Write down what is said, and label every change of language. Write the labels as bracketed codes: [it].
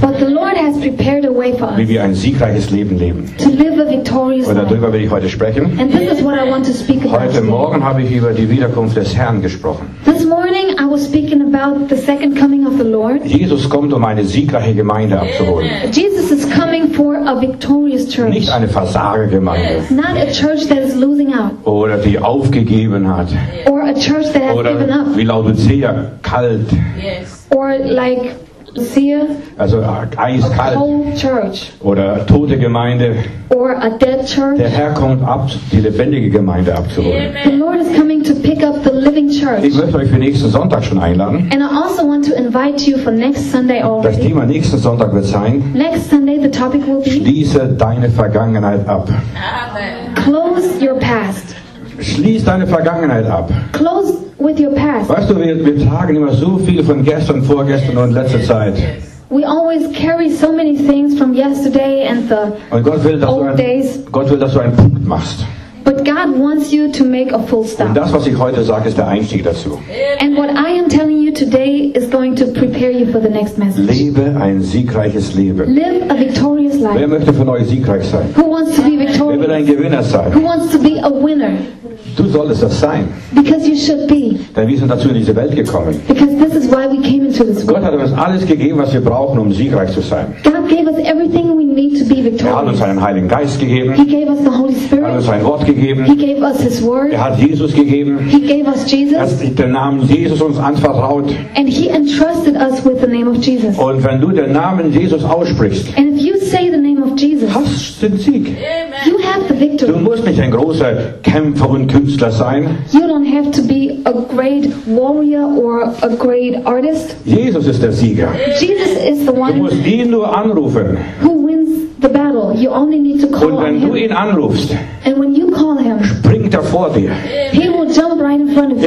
[en] But the Lord has prepared a way for us. [de] Wie wir ein siegreiches Leben leben. [en] To live a victorious life. [de] Und darüber will ich heute sprechen. [en] And this is what I want to speak about. [de] Heute Morgen habe ich über die Wiederkunft des Herrn gesprochen. [en] This morning I was speaking about the second coming of the Lord. [de] Jesus kommt, um eine siegreiche Gemeinde abzuholen. [en] Jesus is coming for a victorious church. [de] Nicht eine Versagergemeinde. [en] Not a church that is losing out. [de] Oder die aufgegeben hat. [en] Or a church that has [de] Oder [en] given up. [de] Wie Laodicea. [en] Yes. Or like see, [de] also eiskalt. [en] A cold church. [de] Oder tote Gemeinde. [en] Or a dead church. [de] Der Herr kommt ab, die lebendige Gemeinde abzuholen. Amen. [en] The Lord is coming to pick up the living church. [de] Ich möchte euch für nächsten Sonntag schon einladen. [en] And I also want to invite you for next Sunday already. [de] Das Thema nächsten Sonntag wird sein. [en] Next Sunday the topic will be. [de] Schließe deine Vergangenheit ab. Amen. [en] Close your past. [de] Schließ deine Vergangenheit ab. [en] Close with your past. [de] Weißt du, wir tragen immer so viel von gestern, vorgestern und letzter Zeit. [en] We always carry so many things from yesterday and the old days. [de] Gott will, dass du einen Punkt machst. [en] But God wants you to make a full stop. [de] Und das, was ich heute sage, ist der Einstieg dazu. [en] And what I am telling you today is going to prepare you for the next message. [de] Lebe ein siegreiches Leben. [en] Live a victorious life. [de] Wer möchte von euch siegreich sein? [en] Who wants to be victorious? [de] Wer will ein Gewinner sein? [en] Who wants to be a winner? [de] Du solltest das sein. [en] Because you should be. [de] Denn wir sind dazu in diese Welt gekommen. [en] Because this is why we came into this world. [de] Gott hat uns alles gegeben, was wir brauchen, um siegreich zu sein. [en] God gave us everything we need to be victorious. [de] Er hat uns einen Heiligen Geist gegeben. [en] He gave us the Holy Spirit. [de] Er hat uns sein Wort gegeben. [en] He gave us his word. [de] Er hat Jesus gegeben. [en] He gave us Jesus. [de] Er hat den Namen Jesus uns anvertraut. [en] And he entrusted us with the name of Jesus. [de] Und wenn du den Namen Jesus aussprichst, [en] and if you say the name of Jesus, [de] hast den Sieg. Amen. [en] You have the victory. [de] Du musst nicht ein großer Kämpfer und Künstler sein. [en] You don't have to be a great warrior or a great artist. [de] Jesus ist der Sieger. [en] Jesus is the one. [de] Du musst ihn nur anrufen. [en] Who wins the battle? You only need to call [de] him. Und wenn du ihn anrufst, [en] and when you call him, [de] springt er vor dir. [en] He will jump right in front of you.